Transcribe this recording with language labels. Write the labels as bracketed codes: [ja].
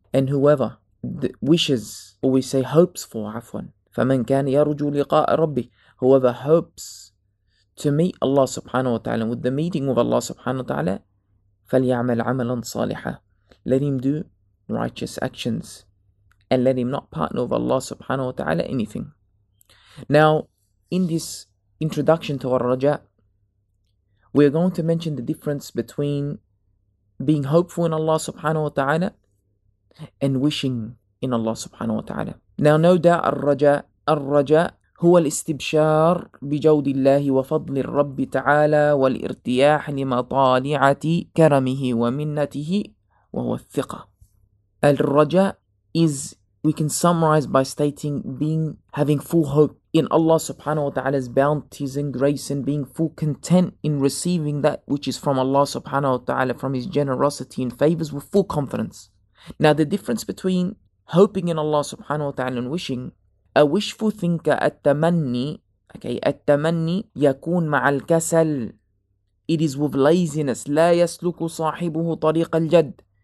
[en] And whoever wishes, or we say hopes for, عفواً, [ar] فَمَنْ كَانَ يَرُجُوا لِقَاءَ رَبِّهِ, [en] whoever hopes to meet Allah subhanahu wa ta'ala, with the meeting of Allah subhanahu wa ta'ala, [ar] فَلْيَعْمَلْ عَمَلًا صَالِحًا, [en] let him do righteous actions, and let him not partner with Allah subhanahu wa ta'ala anything. Now, in this introduction to Ar-Raja, we are going to mention the difference between being hopeful in Allah subhanahu wa ta'ala and wishing in Allah subhanahu wa ta'ala. Now, no doubt [ar] Ar-Raja هو الاستبشار بجود الله وفضل الرب تعالى والارتياح لمطالعة كرمه ومنته وهو الثقة. [en] الرجاء is, we can summarize by stating, having full hope in Allah subhanahu wa ta'ala's bounties and grace, and being full content in receiving that which is from Allah subhanahu wa ta'ala, from His generosity and favors, with full confidence. Now, the difference between hoping in Allah subhanahu wa ta'ala and wishing: a wishful thinker, التمني, okay, [ar] التمني يكون مع الكسل, [en] it is with laziness, [ar] لا يسلك صاحبه طريق الجد,